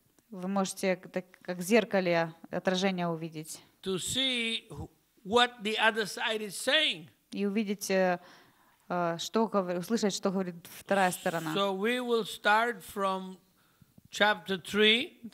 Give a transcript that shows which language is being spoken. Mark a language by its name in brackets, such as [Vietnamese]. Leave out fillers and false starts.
[Russian] Вы можете как в зеркале отражение увидеть. [English] To see what the other side is saying. [Russian] И увидеть, услышать, что говорит вторая сторона. [English] So we will start from chapter 3.